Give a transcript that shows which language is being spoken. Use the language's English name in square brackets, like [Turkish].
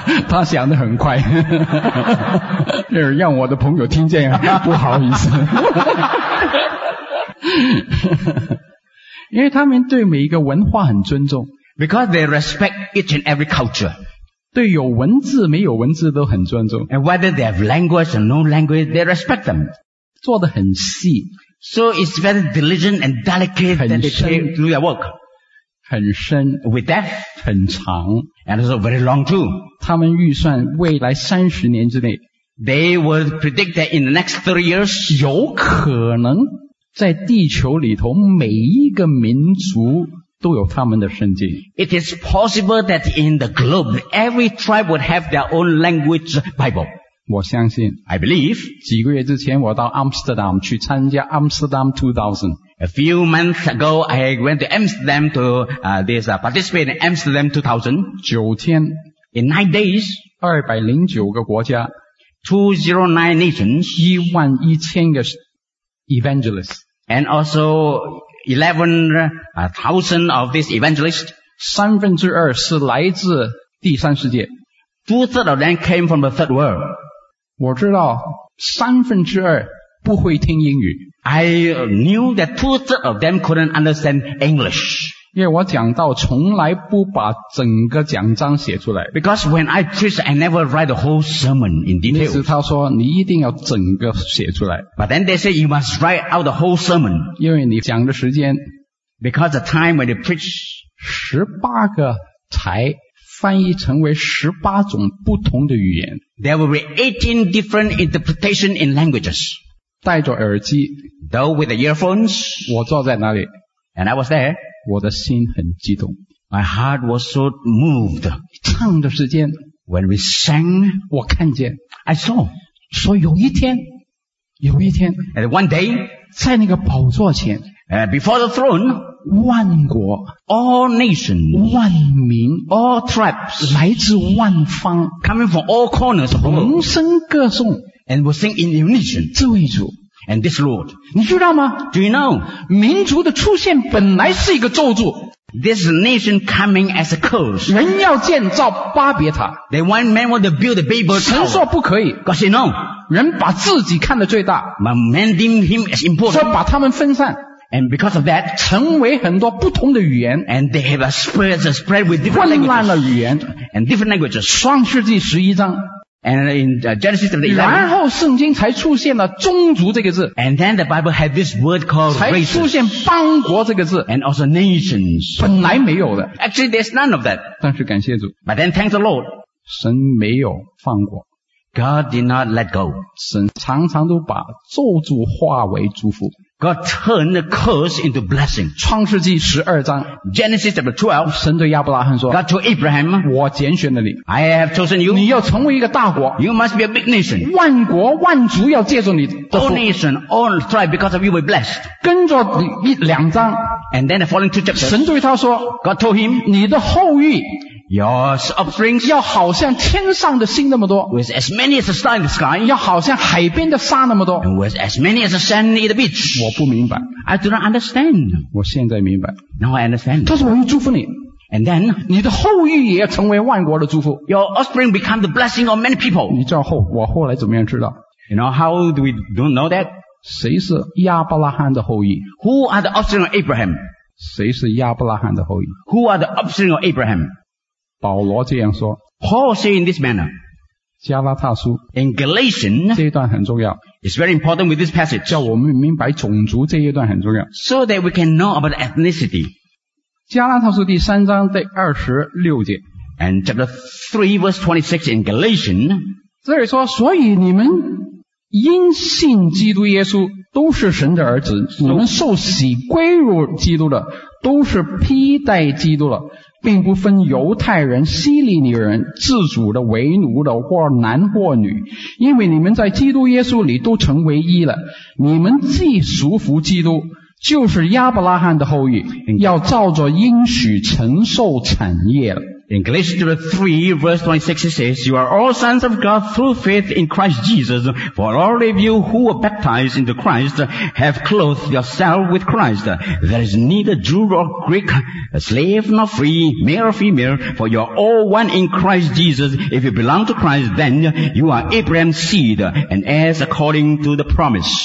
[Chinese] 他想得很快。让我的朋友听见不好意思。因为他们对每一个文化很尊重 [English] Because they respect each and every culture [Chinese] 对有文字没有文字都很尊重 [English] And whether they have language or no language They respect them [Chinese] 做得很细 [English] So it's very diligent and delicate That they take to do their work [Chinese] 很深 [English] With depth [Chinese] 很长 [English] And also very long too [Chinese] 他们预算未来30年之内 [English] They would predict that in the next 30 years [Chinese] 有可能在地球里头每一个民族都有他们的圣经。 [English] It is possible that in the globe, every tribe would have their own language Bible. [Chinese] 我相信。 [English] I believe. [Chinese] 几个月之前我到 Amsterdam 去参加 Amsterdam 2000. [English] A few months ago, I went to Amsterdam to participate in Amsterdam 2000. [Chinese] 九天。 [English] In 9 days. [Chinese] 209个国家。 [English] 209 nations. [Chinese] 11000个Evangelist. [English] And also 11,000 of these evangelists. [Chinese] 三分之二是来自第三世界。 [English] 2/3 of them came from the third world. [Chinese] 我知道三分之二不会听英语。 [English] I knew that 2/3 of them couldn't understand English. [Chinese] 因为我讲到从来不把整个讲章写出来。 [English] Because when I preach, I never write the whole sermon in detail. [Chinese] 意思他说你一定要整个写出来。 [English] But then they say you must write out the whole sermon. [Chinese] 因为你讲的时间。 [English] Because the time when you preach. [Chinese] 18个才翻译成为18种不同的语言。 [English] There will be 18 different interpretations in languages. [Chinese] 戴着耳机。 [English] Though with the earphones. [Chinese] 我坐在那里。 [English] And I was there. [Chinese] 我的心很激动 [English] My heart was so moved [Chinese] 唱的时间 [English] When we sang [Chinese] 我看见 [English] I saw [Chinese] 说有一天有一天 [English] And one day [Chinese] 在那个宝座前 [English] Before the throne [Chinese] 万国 [English] All nations [Chinese] 万民 [English] All tribes [Chinese] 来自万方 [English] Coming from all corners [Chinese] 同声歌颂 [English] And we sing in unison [Chinese] 这位主 [English] And this Lord. [Chinese] 你知道吗? [English] Do you know? [Chinese] 民族的出现本来是一个咒诅。 [English] This nation coming as a curse. [Chinese] 人要建造巴别塔。 [English] They want man want to build the Babel Tower. [Chinese] 神说不可以。 [English] God said no. [Chinese] 人把自己看得最大。 [English] But man deem him as important. [Chinese] 说把他们分散。 [English] And because of that, [Chinese] 成为很多不同的语言。 [English] And they have a spread with different languages. [Chinese] 混乱了语言。 [English] And different languages. [Chinese] 创世纪十一章。 [English] And in Genesis 11, [Chinese] 然后圣经才出现了宗族这个字 [English] and then the Bible had this word called races, [Chinese] 才出现邦国这个字 [English] and also nations, [Chinese] 本来没有的 [English] actually there's none of that, [Chinese] 但是感谢主 [English] but then thank the Lord, [Chinese] 神没有放过 [English] God did not let go, [Chinese] 神常常都把咒诅化为祝福 [English] God turned the curse into blessing, [Chinese] 创世纪十二章 [English] Genesis 12, [Chinese] 神对亚伯拉罕说 [English] God told Abraham, [Chinese] 我拣选了你 [English] I have chosen you, [Chinese] 你要成为一个大国 [English] you must be a big nation, [Chinese] 万国万族要借助你的福 [English] all nation, all tribe because of you were blessed, [Chinese] 跟着一两章 [English] and then the following two chapters, [Chinese] 神对他说 [English] God told him, [Chinese] 你的后裔 [English] Your offspring [Chinese] 要好像天上的星那么多 [English] with as many as the stars in the sky [Chinese] 要好像海边的沙那么多 [English] and with as many as the sand in the beach [Chinese] 我不明白 [English] I do not understand [Chinese] 我现在明白 [English] Now I understand [Chinese] 但是我会祝福你 [English] And then [Chinese] 你的后裔也要成为万国的祝福 [English] Your offspring become the blessing of many people [Chinese] 你知道后我后来怎么样知道 [English] You know how do we don't know that [Chinese] 谁是亚伯拉罕的后裔 [English] Who are the offspring of Abraham [Chinese] 谁是亚伯拉罕的后裔 [English] Who are the offspring of Abraham [Chinese] 保罗这样说 [English] Paul say in this manner [Chinese] 加拉太书 [English] In Galatians [Chinese] 这一段很重要 [English] It's very important with this passage [Chinese] 叫我们明白种族这一段很重要 [English] So that we can know about ethnicity [Chinese] 加拉太书第三章第二十六节 [English] And chapter 3 verse 26 in Galatians [Chinese] 这里说所以你们因信基督耶稣都是神的儿子你们受洗归入基督的都是披戴基督了并不分犹太人希利尼人自主的为奴的或男或女因为你们在基督耶稣里都成为一了你们既属乎基督就是亚伯拉罕的后裔要照着应许承受产业了 [English] In Galatians 3 verse 26 it says You are all sons of God through faith in Christ Jesus For all of you who were baptized into Christ Have clothed yourself with Christ There is neither Jew nor Greek Slave nor free Male or female For you are all one in Christ Jesus If you belong to Christ Then you are Abraham's seed And heirs according to the promise